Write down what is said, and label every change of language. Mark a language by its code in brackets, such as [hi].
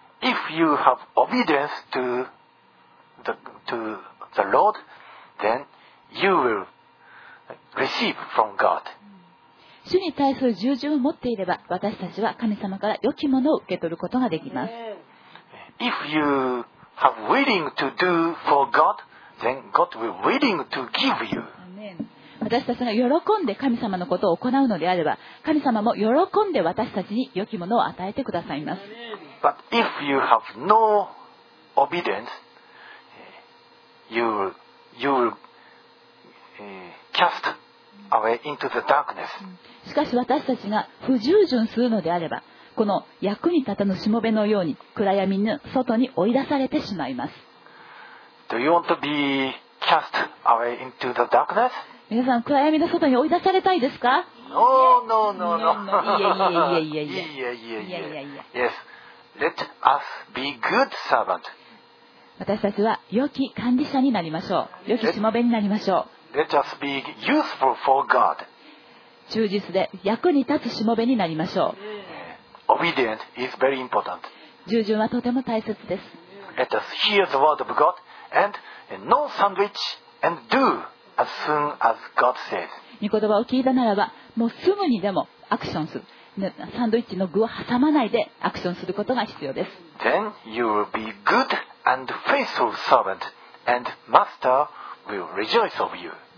[en] If you have obedience to the Lord, then you will receive from God. [ja] 主に対する従順を持っていれば、私たちは神様から良きものを受け取ることができます。 [en] If youHave willing to do for God, then God will willing to give you. [ja] 私たちが喜んで神様のことを行うのであれば、神様も喜んで私たちに良きものを与えてくださいます。 [en] But if you have no obedience, you will cast away into the darkness. [ja] しかし私たちが不従順するのであれば、この役に立たぬしもべのように暗闇の外に追い出されてしまいます。 [en] Do you want to be cast away into the darkness? [ja] 皆さん、暗闇の外に追い出されたいですか？ [en] No, no, no, no, no. Yes. Let us be good servant. [ja] 私たちは良き管理者になりましょう。良きしもべになりましょう。 [en] Let us be useful for God. [ja] 忠実で役に立つしもべになりましょう。 [en] Obedience is very important. [ja] 従順はとても大切です。 [en] Let us hear the word of God and no sandwich and do as soon as God says. [ja] 御言葉を聞いたならば、もうすぐにでもアクションする。サンドイッチの具を挟まないでアクションすることが必要です。 [en] Then you will be good and faithful servant, and master will rejoice over you.